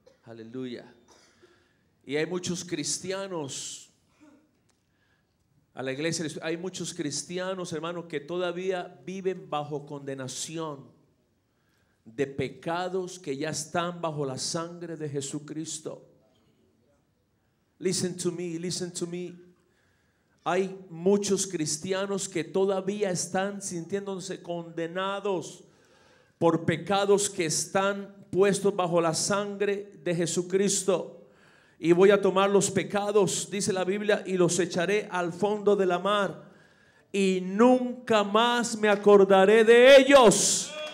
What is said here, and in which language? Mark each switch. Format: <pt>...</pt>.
<es>Aleluya. Y hay muchos cristianos a la iglesia. Hay muchos cristianos, hermanos, que todavía viven bajo condenación de pecados que ya están bajo la sangre de Jesucristo.</es> <en>Listen to me, listen to me.</en> <es>Hay muchos cristianos que todavía están sintiéndose condenados por pecados que están puestos bajo la sangre de Jesucristo. Y voy a tomar los pecados, dice la Biblia, y los echaré al fondo de la mar, y nunca más me acordaré de ellos.</es>